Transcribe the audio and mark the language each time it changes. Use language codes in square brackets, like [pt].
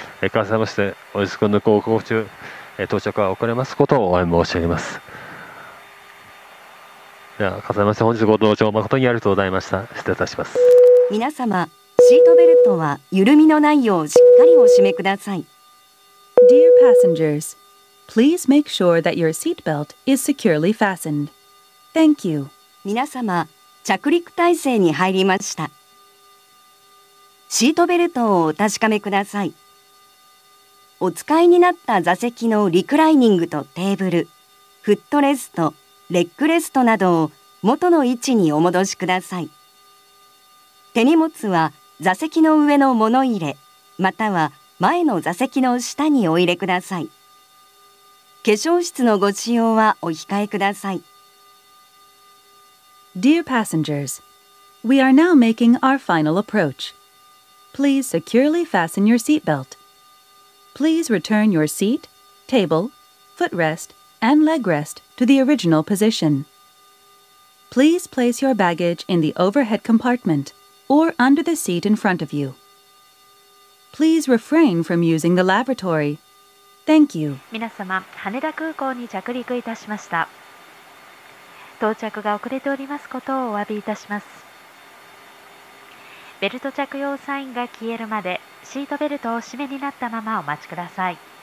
[ja] 関西ましてお椅子君の航行中、到着は遅れますことをお詫び申し上げます。では関西まして本日ご搭乗誠にありがとうございました。失礼いたします。皆様、シートベルトは緩みのないようしっかりお締めください。 [en] Dear passengers, please make sure that your seat belt is securely fastened. Thank you. [ja] 皆様、着陸態勢に入りました。シートベルトをお確かめください。お使いになった座席のリクライニングとテーブル、フットレスト、レッグレストなどを元の位置にお戻しください。手荷物は座席の上の物入れ、または前の座席の下にお入れください。化粧室のご使用はお控えください。 [en] Dear passengers, we are now making our final approach. Please securely fasten your seat belt. Please return your seat, table, footrest, and legrest to the original position. Please place your baggage in the overhead compartment or under the seat in front of you. Please refrain from using the lavatory. Thank you. [ja] 皆様、羽田空港に着陸いたしました。到着が遅れておりますことをお詫びいたします。ベルト着用サインが消えるまで、シートベルトを締めになったままお待ちください。